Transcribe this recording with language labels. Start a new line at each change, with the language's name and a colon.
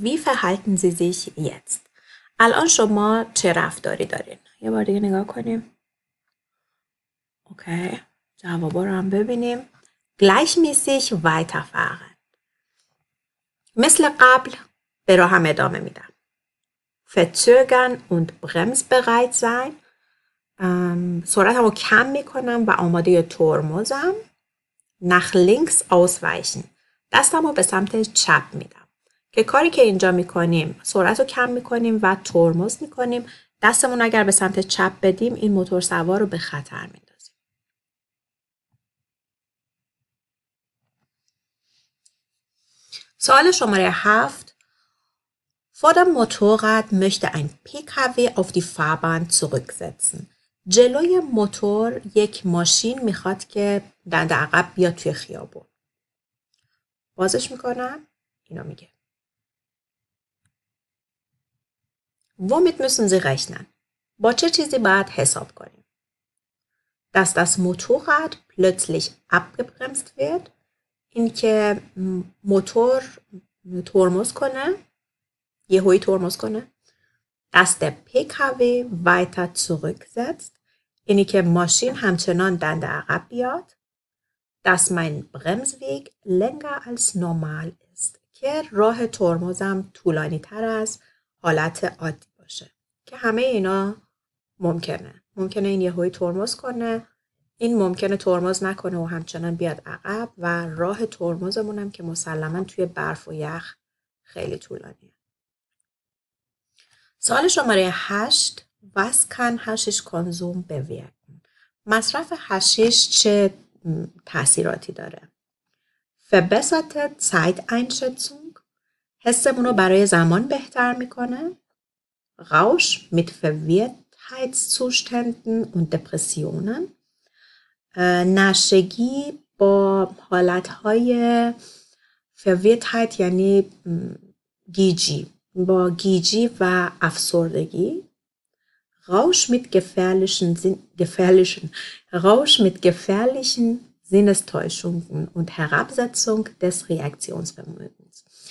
German: Wie verhalten Sie sich jetzt?
Persian: الان شما چه رفتاری دارین؟ یه بار دیگه نگاه کنیم. اوکی. جوابا رو هم ببینیم.
German: Gleichmäßig weiterfahren.
Persian: مثل قبل به راه هم ادامه میدم.
German: Verzögern und bremsbereit sein.
Persian: سرعتم رو کم میکنم و آماده ترمزم.
German: Nach links ausweichen.
Persian: دستم رو به سمت چپ میدم. که کاری که اینجا میکنیم سرعت رو کم میکنیم و ترمز میکنیم. دستمون اگر به سمت چپ بدیم این موتور سوار رو به خطر میندازیم. سوال شماره 7.
German: Vor dem Motorrad möchte ein PKW auf die Fahrbahn zurücksetzen.
Persian: جلوی موتور یک ماشین میخواد که دنده عقب بیاد توی خیابون. بازش میکنم. اینو میگه.
German: Womit müssen Sie rechnen?
Persian: با چه چیزی باید حساب کنیم؟
German: Dass das Motorrad plötzlich abgebremst wird.
Persian: اینکه موتور ترمز کنه. یه هوی ترمز کنه.
German: Dass der PKW weiter zurücksetzt.
Persian: اینی که ماشین همچنان دنده عقب بیاد.
German: Dass mein Bremsweg länger als normal ist.
Persian: که راه ترمزم طولانی تر از حالت عادی باشه. که همه اینا ممکنه. ممکنه این یه هوی ترمز کنه. این ممکنه ترمز نکنه و همچنان بیاد عقب. و راه ترمزمونم که مسلماً توی برف و یخ خیلی طولانیه. سوال شماره 8.
German: Was kann Haschisch Konsum bewirken?
Persian: مصرف حشیش چه تأثیراتی داره؟
German: Verbesserte Zeiteinschätzung.
Persian: حسمون رو برای زمان بهتر میکنه.
German: Rausch mit Verwirrtheitszuständen und Depressionen.
Persian: نشگی با حالتهای Verwirrtheit یعنی گیجی. با گیجی و افسردگی.
German: Rausch mit gefährlichen Sinnestäuschungen und Herabsetzung des Reaktionsvermögens.